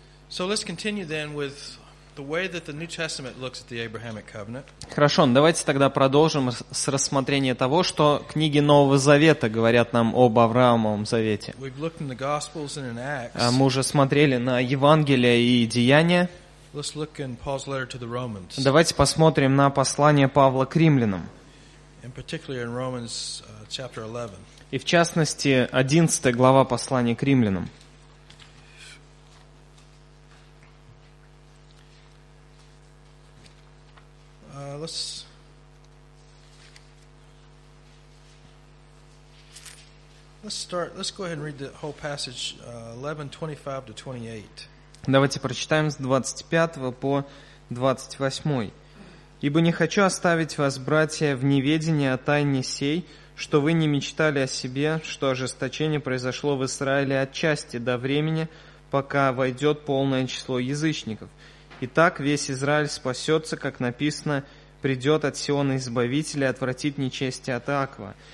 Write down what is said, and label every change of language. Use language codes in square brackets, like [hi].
[en] So let's continue then with the way that the New Testament looks at the Abrahamic covenant. [ru] Хорошо, давайте тогда продолжим с рассмотрения того, что книги Нового Завета говорят нам об Авраамовом Завете. [en] We've looked in the Gospels and in Acts. [ru] Мы уже смотрели на Евангелие и Деяния. [en] Let's look in Paul's letter to the Romans. [ru] Давайте посмотрим на послание Павла к римлянам. [en] And particularly in Romans chapter 11. [ru] И в частности, 11 глава послания к римлянам. [en] Let's go ahead and read the whole passage 11:25-28. [ru] Давайте прочитаем с 25 по 28. Ибо не хочу оставить вас, братья, в неведении о тайне сей, что вы не мечтали о себе, что ожесточение произошло в Израиле отчасти до времени, пока войдет полное число язычников. Итак, весь Израиль спасется, как написано: «Придет от Сиона Избавитель и отвратит нечестие от Иакова.